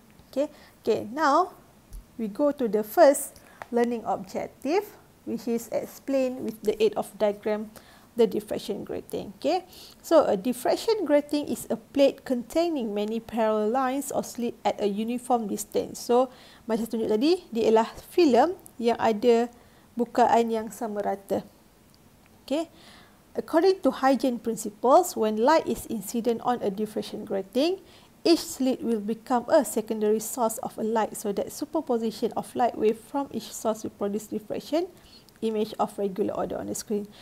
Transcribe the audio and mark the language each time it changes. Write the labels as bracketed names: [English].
[English] Okay, now we go to the first learning objective, which is explain with the aid of diagram the diffraction grating. Okay, so a diffraction grating is a plate containing many parallel lines or slit at a uniform distance. [Malay] So, macam tunjuk tadi, dia ialah film yang ada bukaan yang sama rata. [English] Okay, according to hygiene principles, when light is incident on a diffraction grating, each slit will become a secondary source of a light, so that superposition of light wave from each source will produce diffraction image of regular order on the screen.